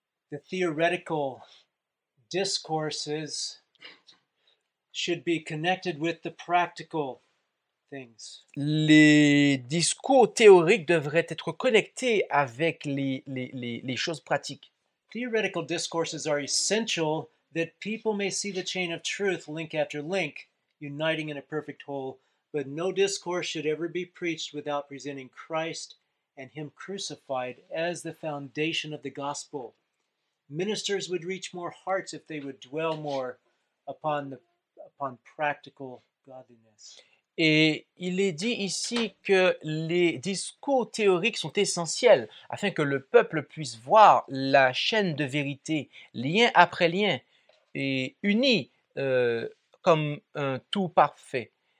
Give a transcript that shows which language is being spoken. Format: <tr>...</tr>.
<en>The theoretical discourses should be connected with the practical things.</en> <fr>Les discours théoriques devraient être connectés avec les choses pratiques.</fr> <en>Theoretical discourses are essential that people may see the chain of truth link after link, uniting in a perfect whole, but no discourse should ever be preached without presenting Christ and Him crucified as the foundation of the gospel. Ministers would reach more hearts if they would dwell more upon practical godliness.</en> <fr>Et il est dit ici que les discours théoriques sont essentiels afin que le peuple puisse voir la chaîne de vérité, lien après lien, et unis comme un tout parfait.</fr>